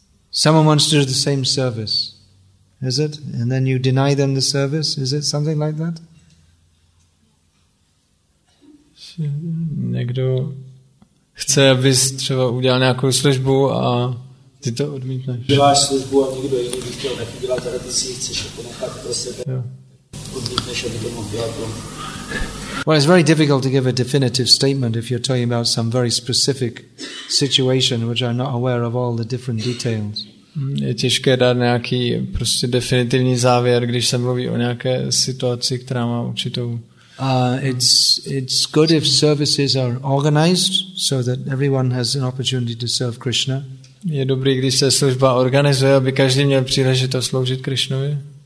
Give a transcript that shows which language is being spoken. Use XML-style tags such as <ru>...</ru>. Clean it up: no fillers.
<en>Someone wants to do the same service, is it? And then you deny them the service, is it something like that?</en> <cs>Někdo chce, abys třeba udělal nějakou službu a ty to odmítneš. Děláš službu a nikdo jiný by chtěl nechat dělat, ale ty si chceš jako nechat pro sebe. Jo.</cs> <en>Well, it's very difficult to give a definitive statement if you're talking about some very specific situation which I'm not aware of all the different details.</en> <cs>Je těžké dát nějaký prostě definitivní závěr, když se mluví o nějaké situaci, která má určitou.</cs> <en>It's good if services are organized so that everyone has an opportunity to serve Krishna.</en> <cs>Je dobrý, když se služba organizuje, aby každý měl příležitost sloužit Krishnovi.</cs>